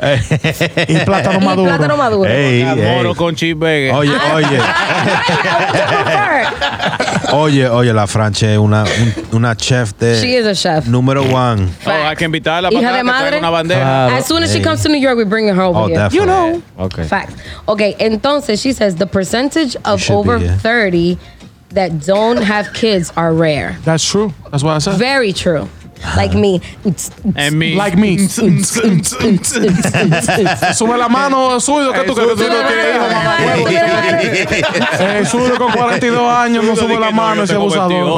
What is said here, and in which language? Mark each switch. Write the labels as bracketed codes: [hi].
[es] Y plátano maduro. Y plátano maduro. Hey, hey. Moro con cheeseburger. Oye, oye. Oye, oye, la Franche es una chef de... [en] She is a chef. [es] Número one. Facts. Oh, hay que invitarla para que traiga una bandera. [en] Claro. As soon as she comes to New York, we bring her over here. You know. Okay. Fact. Okay, entonces, she says, the percentage of over 30 that don't have kids are rare. That's true. That's what I said. Very true. Like me. And me. Like me. [es] Sube la mano, suyo, que tú crees que tú no tienes hijo, mamá. Suyo con 42 años, no sube la mano ese abusador.